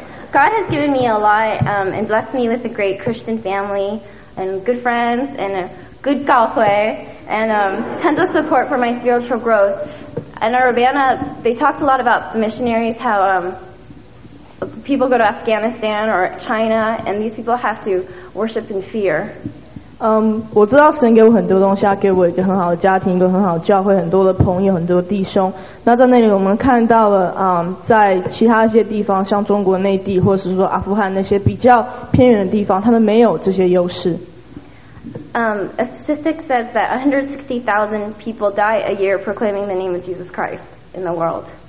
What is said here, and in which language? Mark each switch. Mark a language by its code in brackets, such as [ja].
[en] God has given me a lot and blessed me with a great Christian family and good friends and a good 教会 and tons of support for my spiritual growth. And at Urbana, they talked a lot about the missionaries, how people go to Afghanistan or China, and these people have to worship in fear. [zh] 我知道神给我很多东西，他给我一个很好的家庭，一个很好的教会，很多的朋友，很多弟兄。那在那里我们看到了，在其他一些地方，像中国内地或是说阿富汗那些比较偏远的地方，他们没有这些优势。 [en] A statistic says that 160,000 people die a year proclaiming the name of Jesus Christ in the world.